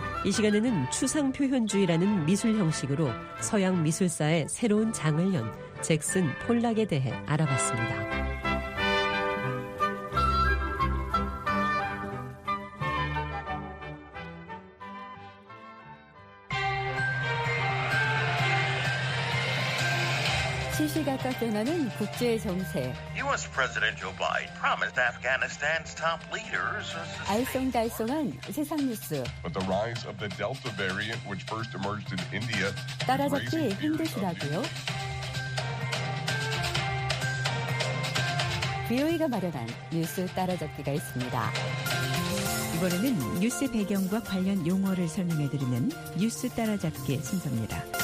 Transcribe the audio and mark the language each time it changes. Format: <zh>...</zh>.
<ko>이 시간에는 추상 표현주의라는 미술 형식으로 서양 미술사의 새로운 장을 연 잭슨 폴락에 대해 알아봤습니다. 시시각각 변하는 국제 정세.</ko> <en>U.S. President Joe Biden promised Afghanistan's top leaders.</en> <ko>알쏭달쏭한 세상 뉴스.</ko> <en>But the rise of the Delta variant, which first emerged in India,</en> <ko>따라잡기 힘드시다고요? 비오이가 마련한 뉴스 따라잡기가 있습니다. 이번에는 뉴스 배경과 관련 용어를 설명해드리는 뉴스 따라잡기 순서입니다.</ko>